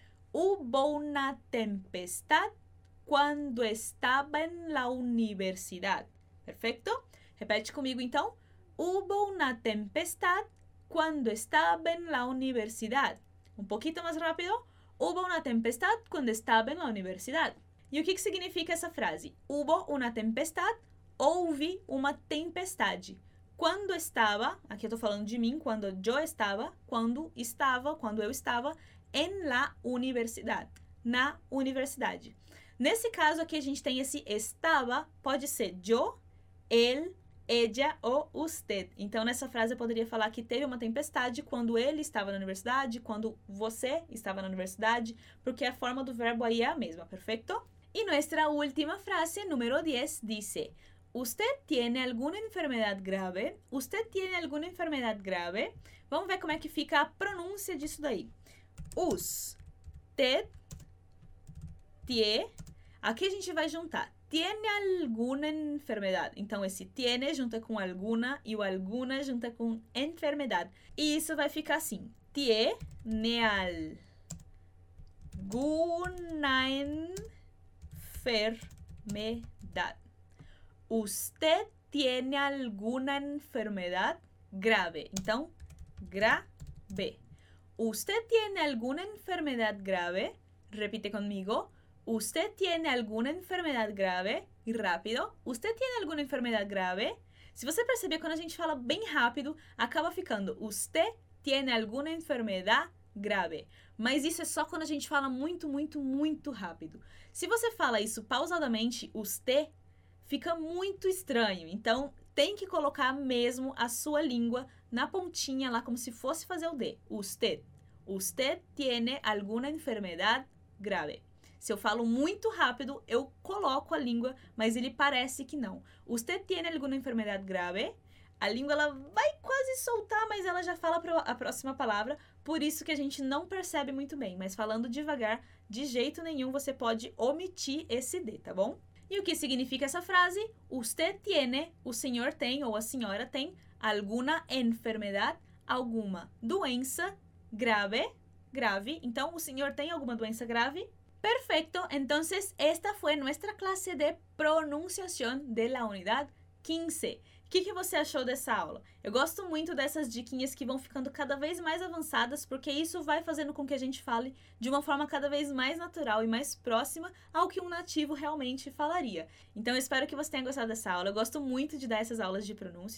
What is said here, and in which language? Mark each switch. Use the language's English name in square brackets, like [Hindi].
[Spanish] Hubo una tempestad cuando estaba en la universidad. Perfecto. [Portuguese] Repete comigo, então. [Spanish] Hubo una tempestad cuando estaba en la universidad. Um poquito más rápido. Hubo una tempestad cuando estaba en la universidad. [Portuguese] E o que significa essa frase? [Spanish] Hubo una tempestad. [Portuguese] Houve uma tempestade. Quando estava, aqui eu estou falando de mim, quando eu estava, quando eu estava, [Spanish] en la universidad, [Portuguese] na universidade. Nesse caso aqui a gente tem esse estava, pode ser yo, él, ella ou usted. Então nessa frase eu poderia falar que teve uma tempestade quando ele estava na universidade, quando você estava na universidade, porque a forma do verbo aí é a mesma, perfeito? E nossa última frase, número 10, dice [Spanish] ¿Usted tiene alguna enfermedad grave? ¿Usted tiene alguna enfermedad grave? [Portuguese] Vamos ver como é que fica a pronúncia disso daí. [Spanish] Usted tiene... [Portuguese] Aqui a gente vai juntar. [Spanish] Tiene alguna enfermedad. [Portuguese] Então, esse tiene junta com alguna e o alguna junta com enfermedad. E isso vai ficar assim. [Spanish] Tiene alguna enfermedad. Usted tiene alguna enfermedad grave. Então, grave. Usted tiene alguna enfermedad grave. Repite conmigo. ¿Usted tiene alguna enfermedad grave? Y rápido. ¿Usted tiene alguna enfermedad grave? Si [Portuguese] você percebe, [Spanish] cuando a gente fala bien rápido, acaba ficando ¿Usted tiene alguna enfermedad grave? [Portuguese] Mas isso é só quando a gente fala muito, muito, muito rápido. Si você fala isso pausadamente, [Spanish] ¿Usted? [Portuguese] Fica muito estranho. Então, tem que colocar mesmo a sua língua na pontinha lá, como se fosse fazer o D. [Spanish] ¿Usted? ¿Usted tiene alguna enfermedad grave? [Portuguese] Se eu falo muito rápido, eu coloco a língua, mas ele parece que não. [Spanish] Usted tiene alguna enfermedad grave? [Portuguese] A língua ela vai quase soltar, mas ela já fala a próxima palavra, por isso que a gente não percebe muito bem. Mas falando devagar, de jeito nenhum, você pode omitir esse D, tá bom? E o que significa essa frase? [Spanish] Usted tiene, [Portuguese] o senhor tem ou a senhora tem, [Spanish] alguna enfermedad, [Portuguese] alguma doença grave, grave. Então, o senhor tem alguma doença grave? [Spanish] Perfecto, entonces esta fue nuestra clase de pronunciación de la unidad 15. [Portuguese] ¿Qué você achou dessa aula? Eu gosto muito dessas diquinhas que vão ficando cada vez mais avançadas, porque isso vai fazendo com que a gente fale de uma forma cada vez mais natural e mais próxima ao que um nativo realmente falaria. Então, eu espero que você tenha gostado dessa aula. Eu gosto muito de dar essas aulas de pronúncia.